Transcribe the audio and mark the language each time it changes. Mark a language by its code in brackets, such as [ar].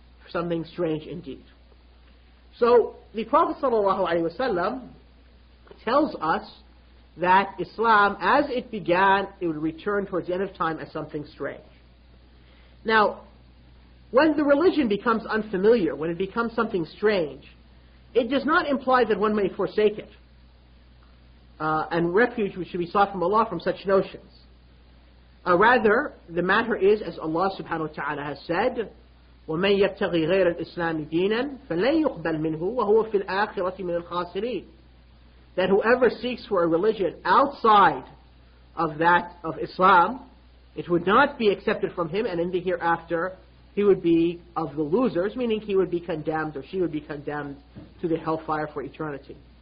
[en] Something strange indeed. So the Prophet ﷺ tells us that Islam, as it began, it would return towards the end of time as something strange. Now, when the religion becomes unfamiliar, when it becomes something strange, it does not imply that one may forsake it. And refuge should be sought from Allah from such notions. Rather, the matter is, as Allah subhanahu wa ta'ala has said, [ar] وَمَنْ يَبْتَغِي غَيْرَ الْإِسْلَامِ دِينًا فَلَنْ يُقْبَلْ مِنْهُ وَهُوَ فِي الْآخِرَةِ مِنَ الْخَاسِرِينَ. [en] That whoever seeks for a religion outside of that of Islam, it would not be accepted from him, and in the hereafter, he would be of the losers, meaning he would be condemned, or she would be condemned to the hellfire for eternity.